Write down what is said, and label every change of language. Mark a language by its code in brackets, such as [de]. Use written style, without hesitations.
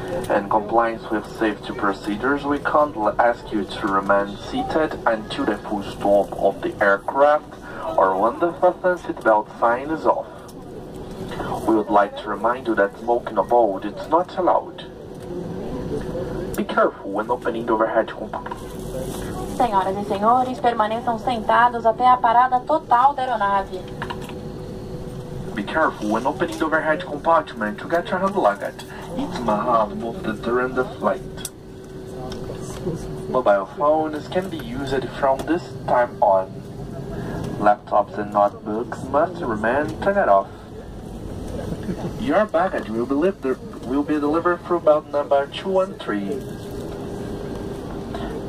[en] In compliance with safety procedures, we kindly ask you to remain seated until the full stop of the aircraft or when the fasten seatbelt sign is off. We would like to remind you that smoking aboard is not allowed. Be careful when opening the overhead compartment. [pt] Senhoras e senhores, permaneçam sentados até a parada total da aeronave. [en] Be careful when opening the overhead compartment to get your hand luggage. It may have moved during the flight. Mobile phones can be used from this time on. Laptops and notebooks must remain turned off. Your baggage will be delivered through belt number 213.